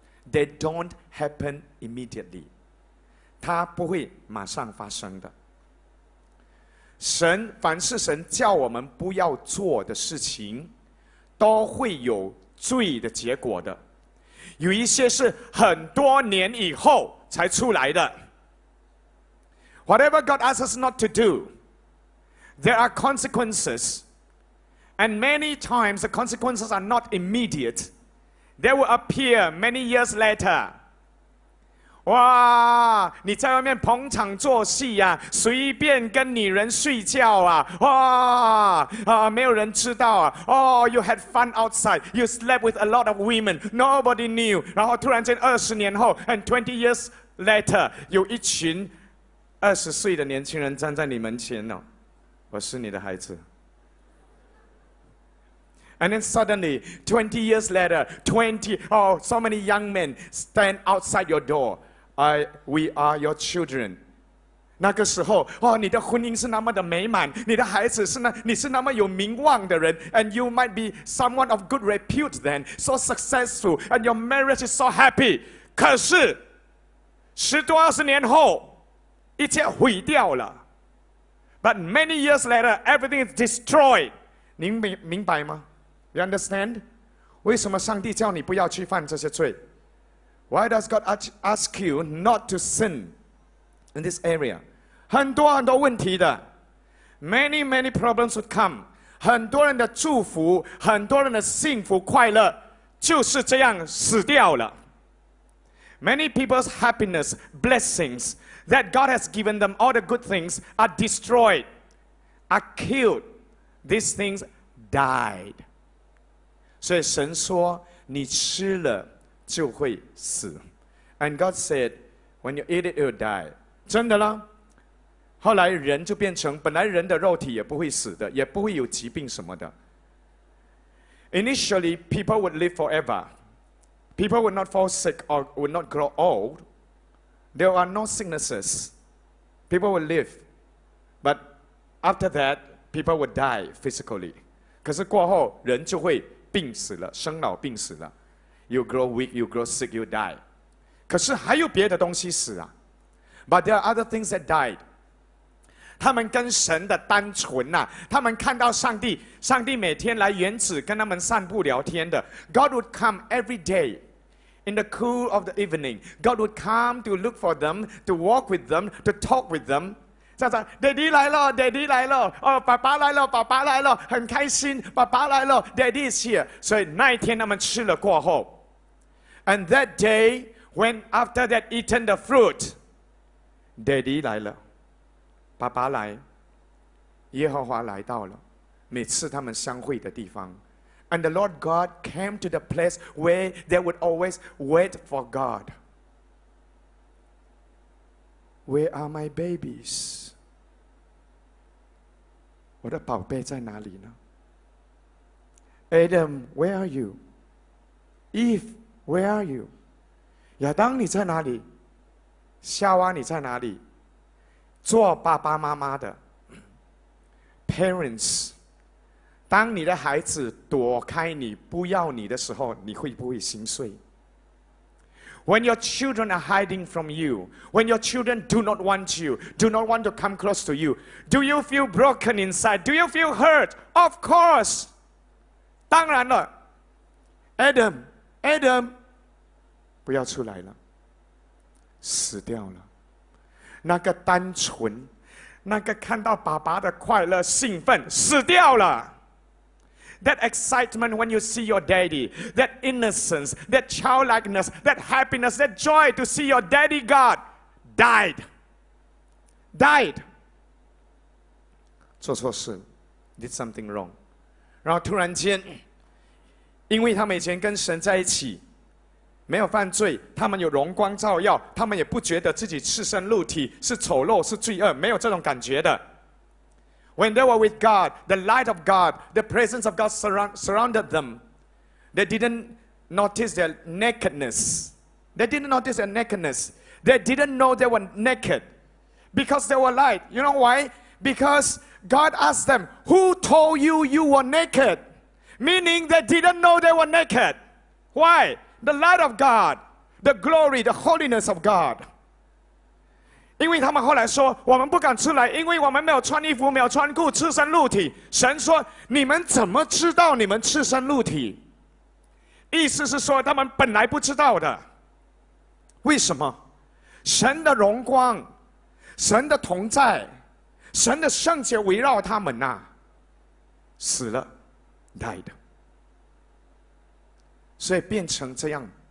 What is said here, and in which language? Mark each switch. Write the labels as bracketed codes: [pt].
[en] They don't happen immediately. [zh] 它不会马上发生的。神，凡是神叫我们不要做的事情，都会有罪的结果的。有一些是很多年以后才出来的。 [en] Whatever God asks us not to do, there are consequences. And many times the consequences are not immediate. They will appear many years later. [zh] 哇，你在外面捧场做戏啊，随便跟女人睡觉啊，哇啊，没有人知道啊。 [en] Oh, you had fun outside. You slept with a lot of women. Nobody knew. [zh] 然后突然间二十年后 ， [en] and 20 years later， [zh] 有一群二十岁的年轻人站在你门前哦，我是你的孩子。 [en] And then suddenly, 20 years later, 20, oh, so many young men stand outside your door. We are your children. [zh] 那个时候，哦，你的婚姻是那么的美满，你的孩子是那，你是那么有名望的人， [en] and you might be someone of good repute then, so successful, and your marriage is so happy. [zh] 可是，十多二十年后，一切毁掉了。 [en] But many years later, everything is destroyed. [zh] 您明白吗？ [en] You understand? [zh] 为什么上帝叫你不要去犯这些罪？ [en] Why does God ask you not to sin in this area? [zh] 很多很多问题的。 [en] Many, many problems would come. [zh] 很多人的祝福，很多人的幸福快乐，就是这样死掉了。 [en] Many people's happiness, blessings that God has given them, all the good things are destroyed, are killed. These things died. [zh] 所以神说，你吃了就会死。 [en] And God said, when you eat it, you'll die. [zh] 真的啦。后来人就变成，本来人的肉体也不会死的，也不会有疾病什么的。 [en] Initially, people would live forever. People would not fall sick or would not grow old. There are no sicknesses. People would live. But after that, people would die physically. [zh] 可是过后，人就会病死了，生老病死了。 [en] You grow weak, you grow sick, you die. [zh] 可是还有别的东西死啊。 [en] But there are other things that died. [zh] 他们跟神的单纯啊，他们看到上帝，上帝每天来园子跟他们散步聊天的。 [en] God would come every day in the cool of the evening. God would come to look for them, to walk with them, to talk with them. [zh] 叫他爹地来了，爹地来了，哦，爸爸来了，爸爸来了，很开心，爸爸来了 ， [en] Daddy is here。 [zh] 所以那一天他们吃了过后 [en] ，And that day when after that eaten the fruit， [zh] 爹地来了，爸爸来，耶和华来到了，每次他们相会的地方 [en] ，And the Lord God came to the place where they would always wait for God。 Where are my babies? [zh] 我的宝贝在哪里呢？ [en] Adam, where are you? Eve, where are you? [zh] 亚当你在哪里？夏娃你在哪里？做爸爸妈妈的 [en] Parents, [zh] 当你的孩子躲开你不要你的时候，你会不会心碎？ [en] When your children are hiding from you, when your children do not want you, do not want to come close to you, do you feel broken inside? Do you feel hurt? Of course! [zh] 当然了。Adam, Adam, 不要出来了。死掉了。那个单纯，那个看到爸爸的快乐兴奋，死掉了。 [en] That excitement when you see your daddy, that innocence, that childlikeness, that happiness, that joy to see your daddy God died. Died. [zh] 做错事, [en] did something wrong. [zh] 然后突然间, 因为他们以前跟神在一起, 没有犯罪, 他们有荣光照耀, 他们也不觉得自己赤身露体, 是丑陋, 是罪恶, 没有这种感觉的。 [en] When they were with God, the light of God, the presence of God surrounded them. They didn't notice their nakedness. They didn't notice their nakedness. They didn't know they were naked because they were light. You know why? Because God asked them, who told you you were naked? Meaning they didn't know they were naked. Why? The light of God, the glory, the holiness of God. [zh] 因为他们后来说，我们不敢出来，因为我们没有穿衣服，没有穿裤，赤身露体。神说，你们怎么知道你们赤身露体？意思是说，他们本来不知道的。为什么？神的荣光，神的同在，神的圣洁围绕他们啊，死了 died， 所以变成这样。